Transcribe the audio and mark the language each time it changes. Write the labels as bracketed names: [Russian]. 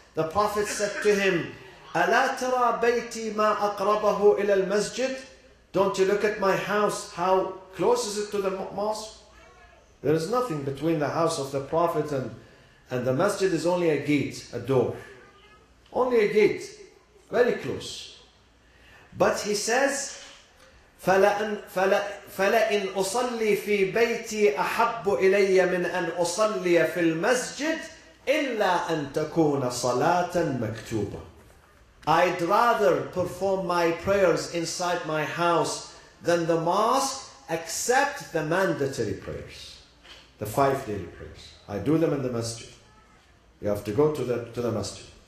[English] The Prophet said to him, [Arabic] أَلَا تَرَى بَيْتِي مَا أَقْرَبَهُ إِلَى الْمَسْجِدِ, [English] don't you look at my house, how close is it to the mosque? There is nothing between the house of the Prophet and the masjid is only a gate, a door. Only a gate. Very close. But he says, [Arabic] فَلَئِنْ أُصَلِّي فِي بَيْتِي أَحَبُّ إِلَيَّ مِنْ أَنْ أُصَلِّيَ فِي الْمَسْجِدِ إِلَّا أَنْ تَكُونَ صَلَاةً مَكْتُوبًا. [English] I'd rather perform my prayers inside my house than the mosque, except the mandatory prayers. The 5 daily prayers. I do them in the masjid. You have to go to the masjid.